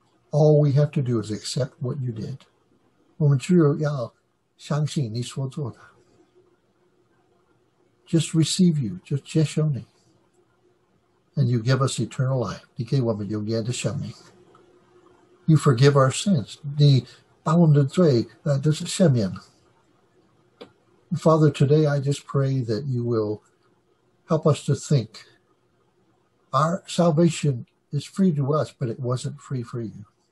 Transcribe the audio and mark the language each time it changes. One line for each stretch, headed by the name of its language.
English: All we have to do is accept what you did.
Chinese: 我们只有要相信你所做的。
English: Just receive you, just
Chinese: 接受你。
English: And you give us eternal life.
Chinese: 你给我们永远的生命。
English: You forgive our sins.
Chinese: 你把我们的罪都是赦免。
English: Father, today I just pray that you will help us to think. Our salvation is free to us, but it wasn't free for you.